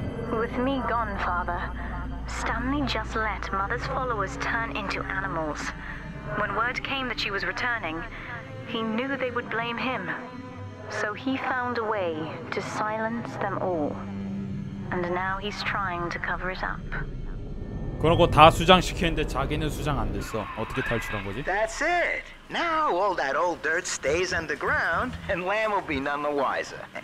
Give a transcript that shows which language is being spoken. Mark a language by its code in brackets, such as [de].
[en] With me gone, father, Stanley just let mother's followers turn into animals. When word came that she was returning, he knew they would blame him. So he found a way to silence them all. And now he's trying to cover it up. [ko] 그러고 다 수장시키는데 자기는 수장 안 됐어. 어떻게 탈출한 거지? [en] That's it. Now all that old dirt stays underground and Lam will be none the wiser.